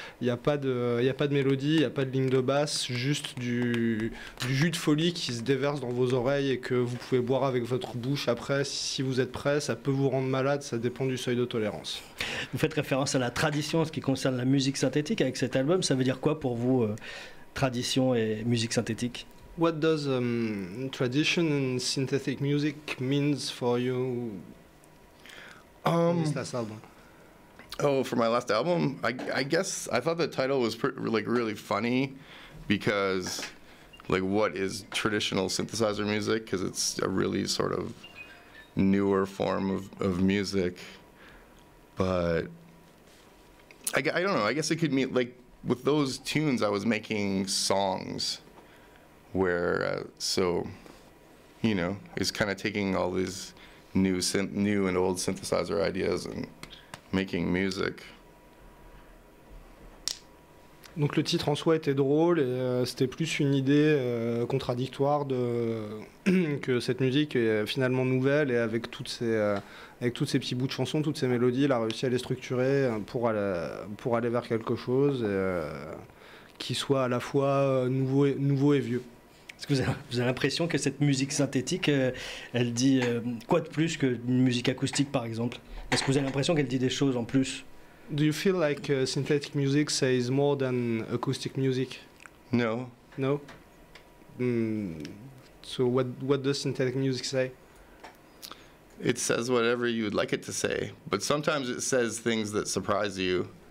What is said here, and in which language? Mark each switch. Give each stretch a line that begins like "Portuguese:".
French: Il n'y a pas de mélodie, il n'y a pas de ligne de basse, juste du jus de folie qui se déverse dans vos oreilles et que vous pouvez boire avec votre bouche après. Si vous êtes prêt, ça peut vous rendre malade, ça dépend du seuil de tolérance. Vous faites référence à la tradition en ce qui concerne la musique synthétique avec cet album. Ça veut dire quoi pour vous, tradition et musique synthétique?
English: What does tradition in synthetic music means for you? Last album. Oh, for my last album, I guess I thought the title was really funny, because like, what is traditional synthesizer music? Because it's a really sort of newer form of music. But I don't know. I guess it could mean like with those tunes, I was making songs, where it's kind of taking all these new and old synthesizer ideas and making music.
French: Donc le titre en soi était drôle et c'était plus une idée contradictoire de que cette musique est finalement nouvelle et avec tous ces petits bouts de chansons, toutes ces mélodies, elle a réussi à les structurer pour aller vers quelque chose qui soit à la fois nouveau et vieux. Est-ce que vous avez l'impression que cette musique synthétique, elle dit quoi de plus qu'une musique acoustique, par exemple? Est-ce que vous avez l'impression qu'elle dit des choses en plus?
English: Do you feel like synthetic music says more than acoustic music? No. No? So what does synthetic music say? It says whatever you'd like it to say, but sometimes it says things that surprise you.